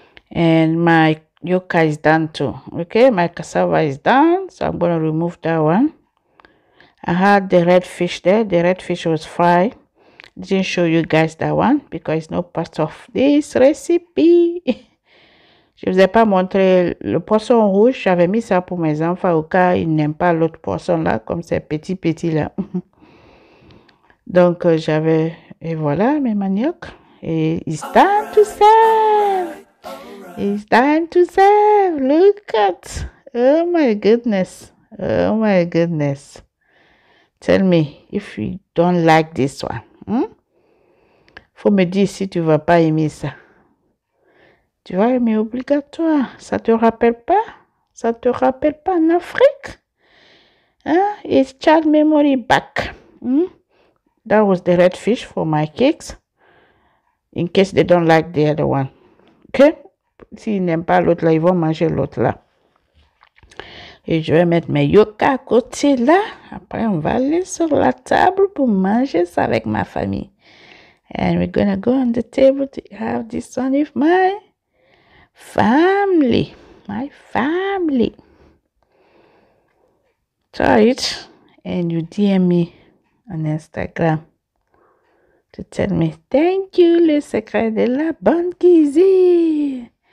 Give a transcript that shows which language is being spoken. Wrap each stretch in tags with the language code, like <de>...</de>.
<en>And my yuca is done too. Okay, my cassava is done. So I'm going to remove that one. I had the red fish there. The red fish was fried. Didn't show you guys that one because it's not part of this recipe.</en> <fr>Je ne vous ai pas montré le poisson rouge. J'avais mis ça pour mes enfants au cas ils n'aiment pas l'autre poisson là, comme c'est petit là. Donc j'avais. Et voilà mes maniocs. Et</fr> <en>it's done to serve. It's time to serve. Look at. Oh my goodness. Oh my goodness. Tell me if you don't like this one.</en> <fr>Faut me dire si tu vas pas aimer ça. Tu vas aimer obligatoire. Ça te rappelle pas? Ça te rappelle pas en Afrique?</fr> <en>It's child memory back. That was the red fish for my cakes. In case they don't like the other one. Okay?</en> <fr>S'ils n'aiment pas l'autre là, ils vont manger l'autre là. Et je vais mettre mes yuca à côté là. Après, on va aller sur la table pour manger ça avec ma famille.</fr> <en>And we're gonna go on the table to have this one with my family. My family. Try it. And you DM me on Instagram to tell me thank you,</en> <fr>le secret de la bonne cuisine.</fr>